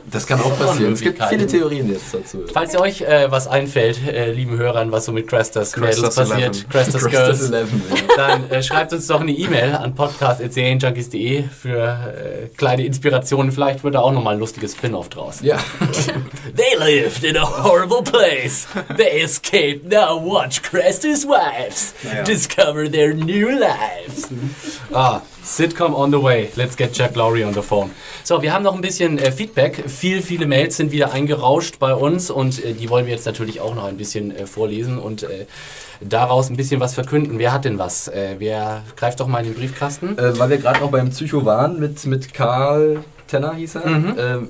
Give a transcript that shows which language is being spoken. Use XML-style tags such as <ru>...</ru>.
<de>Das kann auch passieren. Es gibt viele Theorien jetzt dazu. Falls ihr euch was einfällt, lieben Hörern, was so mit Crestas Mädels passiert, Crestas Girls, 11, dann schreibt uns doch eine E-Mail an podcast@cnjunkies.de für kleine Inspirationen. Vielleicht wird da auch nochmal ein lustiges Spin-off draus. Ja.</de> <en>They lived in a horrible place. They escaped. Now watch Cresta's Wives discover their new lives. Sitcom on the way. Let's get Jack Lowry on the phone.</en> <de>So, wir haben noch ein bisschen Feedback. Viele Mails sind wieder eingerauscht bei uns und die wollen wir jetzt natürlich auch noch ein bisschen vorlesen und daraus ein bisschen was verkünden. Wer hat denn was? Wer greift doch mal in den Briefkasten? Weil wir gerade noch beim Psycho waren mit Karl Tenner, hieß er. Mhm.</de>